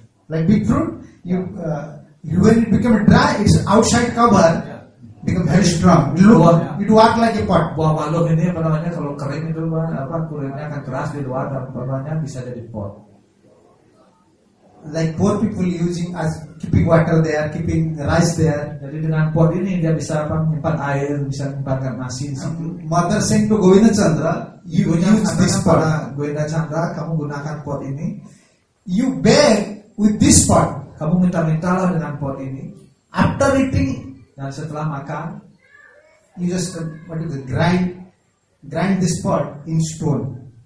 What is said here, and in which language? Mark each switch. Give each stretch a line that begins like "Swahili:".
English: like big fruit you you when it become dry its outside cover become very strong it work like a pot
Indonesian: buah walnut ini apa namanya kalau kering itu apa kulitnya akan keras di luar dan apa bisa jadi pot
English: like poor people using as keeping water there keeping rice there
Indonesian: jadi dengan pot ini dia bisa apa menyimpan air bisa menyimpan nasi di situ
English: mother saying to Govinda Chandra you use this pot
Indonesian: Govinda Chandra kamu gunakan pot ini
English: you beg with this pot
Indonesian: kamu minta-mintalah dengan pot ini
English: after eating
Indonesian: dan setelah makan
English: you just what do you grind this pot in stone